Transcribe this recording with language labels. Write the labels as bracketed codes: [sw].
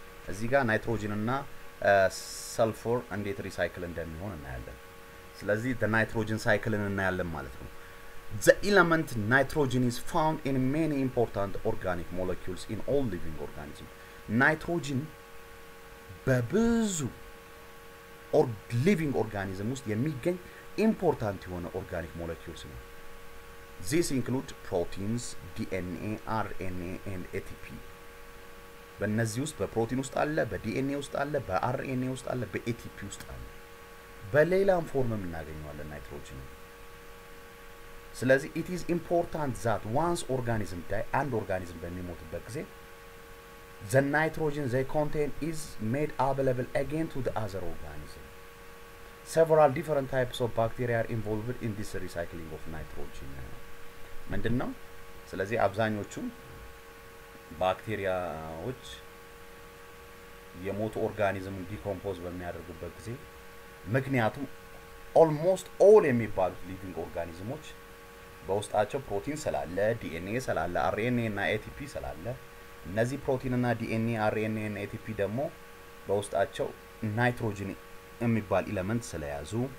[am] እዚህ ጋር ናይትሮጅን እና ሰልፈር እንዴት ሪሳይክል እንደሚሆን እናያለን። ስለዚህ [en] the nitrogen cycle-ን [am] እናያለን ማለት ነው። [en] The element nitrogen is found in many important organic molecules in all living organisms. Nitrogen [am] በብዙ [en] or living organisms [am] ውስጥ የሚገኝ [en] important [am] የሆነ [en] organic molecules [am] ነው። [en] These include proteins, DNA, RNA and ATP. [am] በእነዚህ ውስጥ በፕሮቲን ውስጥ አለ፣ በDNA ውስጥ አለ፣ በRNA ውስጥ አለ፣ በATP ውስጥ አለ። በሌላም ፎርምም እናገኘዋለን nitrogen. ስለዚህ [en] it is important that once organism die and organism [am] በሚሞትበት ጊዜ [en] the nitrogen they contain is made available again to the other organism. Several different types of bacteria are involved in this recycling of nitrogen. [am] ምንድነው? ስለዚህ አብዛኞቹ ባክቴሪያዎች የሞቱ ኦርጋኒዝምን ዲኮምፖዝ በሚያደርጉበት ጊዜ ምክንያቱም [en] almost all [am] የሚባሉ living organisms በውስጣቸው ፕሮቲን ስላለ ዲኤንኤ ስላለ አርኤንኤ እና ኤቲፒ ስላለ እነዚህ ፕሮቲን እና ዲኤንኤ አርኤንኤ እና ኤቲፒ ደግሞ በውስጣቸው ናይትሮጅን የሚባል ኤሌመንት ስለያዙ